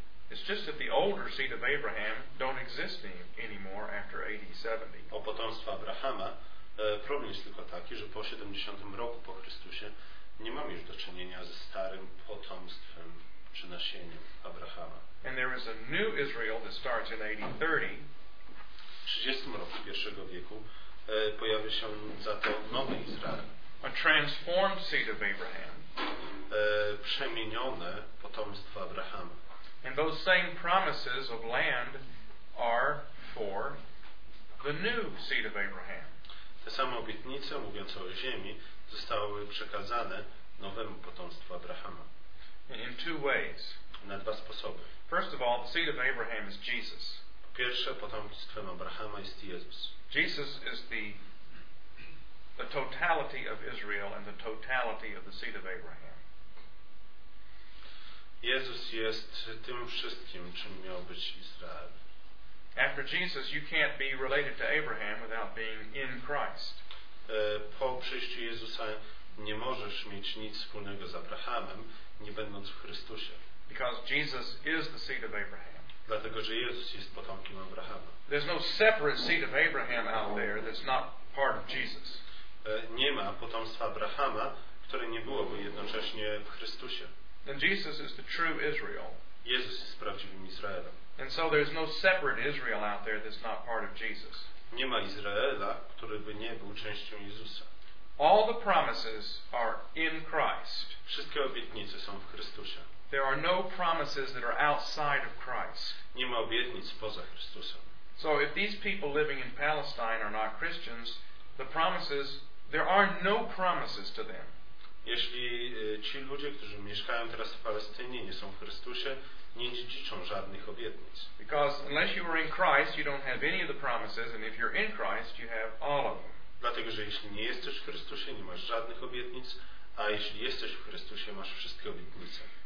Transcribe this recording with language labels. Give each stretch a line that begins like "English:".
English: It's just that the older seed of Abraham don't exist anymore after AD 70.
Polish: O potomstwo Abrahama. Problem jest tylko taki, że po 70 roku po Chrystusie nie mamy już do czynienia ze starym potomstwem czy nasieniem Abrahama.
English: And there is a new Israel that starts in AD 30.
Polish: W 30 roku pierwszego wieku pojawia się za to nowy Izrael.
English: A transformed seed of Abraham.
Polish: Przemienione potomstwo Abrahama.
English: And those same promises of land are for the new seed of Abraham.
Polish: Te same obietnice mówiące o ziemi zostały przekazane nowemu potomstwu Abrahama.
English: In two ways.
Polish: Na dwa sposoby.
English: First of all, the seed of Abraham is Jesus.
Polish: Po pierwsze, potomstwem Abrahama jest Jezus.
English: Jesus is the totality of Israel and the totality of the seed of Abraham.
Polish: Jezus jest tym wszystkim, czym miał być Izrael.
English: After Jesus, you can't be related to Abraham without being in Christ.
Polish: Po przyjściu Jezusa nie możesz mieć nic wspólnego z Abrahamem, nie będąc w Chrystusie.
English: Because Jesus is the seed of Abraham.
Polish: Dlatego, że Jezus jest potomkiem Abrahama.
English: There's no separate seed of Abraham out there that's not part of Jesus.
Polish: Nie ma potomstwa Abrahama, które nie byłoby jednocześnie w Chrystusie.
English: And Jesus is the true Israel.
Polish: Jezus jest prawdziwym Izraelem.
English: And so there's no separate Israel out there that's not part of Jesus.
Polish: Nie ma Izraela, który by nie był częścią Jezusa.
English: All the promises are in Christ.
Polish: Wszystkie obietnice są w Chrystusie.
English: There are no promises that are outside of Christ.
Polish: Nie ma obietnic poza Chrystusem.
English: So if these people living in Palestine are not Christians, the promises, there are no promises to them.
Polish: Jeśli ci ludzie, którzy mieszkają teraz w Palestynie, nie są w Chrystusie, nie dziedziczą żadnych obietnic.
English: Because unless you were in Christ, you don't have any of the promises, and if you're in Christ, you have all of them.
Polish: Dlatego, że jeśli nie jesteś w Chrystusie, nie masz żadnych obietnic, a jeśli jesteś w Chrystusie, masz wszystkie obietnice.